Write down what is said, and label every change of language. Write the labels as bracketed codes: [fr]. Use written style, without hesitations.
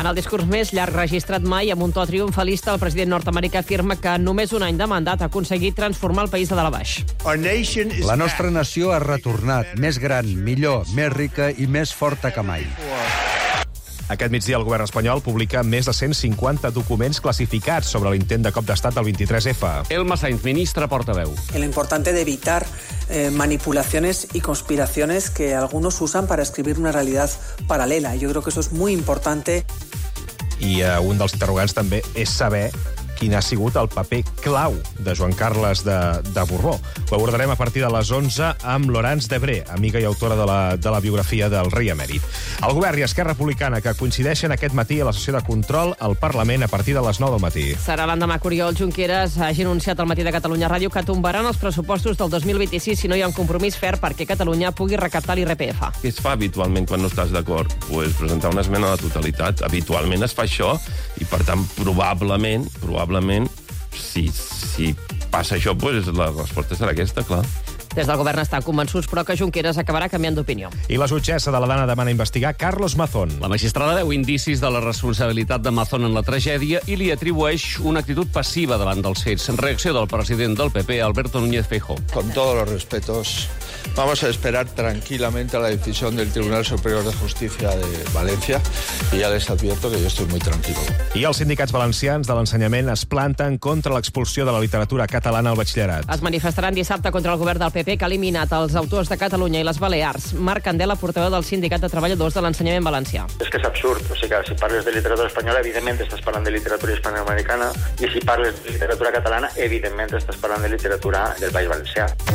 [ca] En el discurs més llarg registrat mai, amb un to triomfalista, el president nord-americà afirma que només un any de mandat ha aconseguit transformar el país de dalt a baix. La nostra nació ha retornat més gran, millor, més rica i més forta que mai. Aquest migdia el govern espanyol publica més de 150 documents classificats sobre l'intent de cop d'estat del 23F. Elma Sainz, ministra portaveu. [es] El importante de evitar manipulaciones y conspiraciones que algunos usan para escribir una realidad paralela. Yo creo que eso es muy importante. [ca] I un dels interrogants també és saber quin ha sigut el paper clau de Joan Carles de Borbó. Ho abordarem a partir de les 11 amb Laurence Debré, amiga i autora de la biografia del rei emèrit. El govern i Esquerra Republicana, que coincideixen aquest matí a la sessió de control al Parlament a partir de les 9 del matí. Serà l'endemà que Oriol Junqueras hagi anunciat al matí de Catalunya Ràdio que tombaran els pressupostos del 2026 si no hi ha un compromís ferm perquè Catalunya pugui recaptar l'IRPF. Què es fa habitualment quan no estàs d'acord? Pues presentar una esmena a la totalitat. Habitualment es fa això i, per tant, probablement, si passa això, pues la resposta serà aquesta, clar. Des del govern estan convençuts, però que Junqueras acabarà canviant d'opinió. I la jutgessa de la Dana demana investigar Carlos Mazón. La magistrada deu indicis de la responsabilitat de Mazón en la tragèdia i li atribueix una actitud passiva davant dels fets. En reacció del president del PP, Alberto Núñez Feijóo. [es] Con todos los respetos, vamos a esperar tranquilamente a la decisión del Tribunal Superior de Justicia de València y ya les advierto que yo estoy muy tranquilo. [ca] I els sindicats valencians de l'ensenyament es planten contra l'expulsió de la literatura catalana al batxillerat. Es manifestaran dissabte contra el govern del PP, que ha eliminat els autors de Catalunya i les Balears. Marc Candela, portaveu del Sindicat de Treballadors de l'Ensenyament Valencià. És que és absurd. O sigui, si parles de literatura espanyola, evidentment estàs parlant de literatura hispanoamericana, i si parles de literatura catalana, evidentment estàs parlant de literatura del País Valencià.